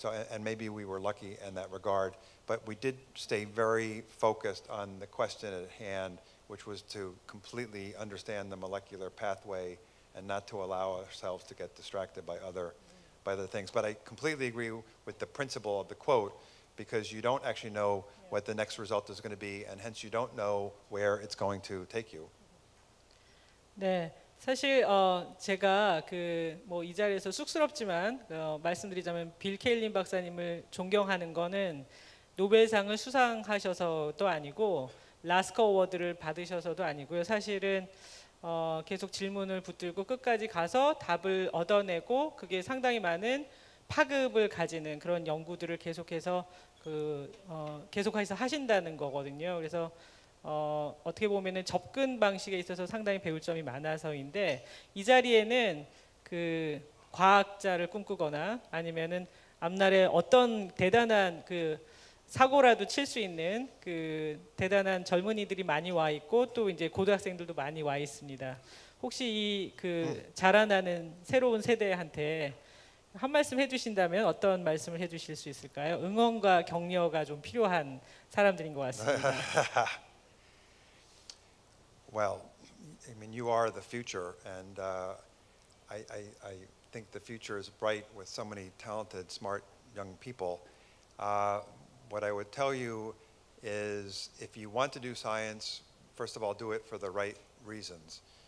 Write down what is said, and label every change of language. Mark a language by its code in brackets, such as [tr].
[en] So and maybe we were lucky in that regard, but we did stay very focused on the question at hand, which was to completely understand the molecular pathway and not to allow ourselves to get distracted by other things. But I completely agree with the principle of the quote, because you don't actually know what the next result is going to be, and hence you don't know where it's going to take you. [ko] 네, 사실 제가 그 뭐 이 자리에서 쑥스럽지만 말씀드리자면 빌 케일린 박사님을 존경하는 거는 노벨상을 수상하셔서도 아니고 라스커 어워드를 받으셔서도 아니고요. 사실은 계속 질문을 붙들고 끝까지 가서 답을 얻어내고 그게 상당히 많은 파급을 가지는 그런 연구들을 계속해서 계속해서 하신다는 거거든요. 그래서 어떻게 보면은 접근 방식에 있어서 상당히 배울 점이 많아서인데 이 자리에는 그 과학자를 꿈꾸거나 아니면은 앞날에 어떤 대단한 그 사고라도 칠 수 있는 그 대단한 젊은이들이 많이 와 있고 또 이제 고등학생들도 많이 와 있습니다. 혹시 이 그 자라나는 새로운 세대한테 한 말씀 해주신다면 어떤 말씀을 해주실 수 있을까요? 응원과 격려가 좀 필요한 사람들인 것 같습니다. [en] Well, I mean, you are the future, and I think the future is bright with so many talented, smart young people. What I would tell you is, if you want to do science, first of all, do it for the right reasons.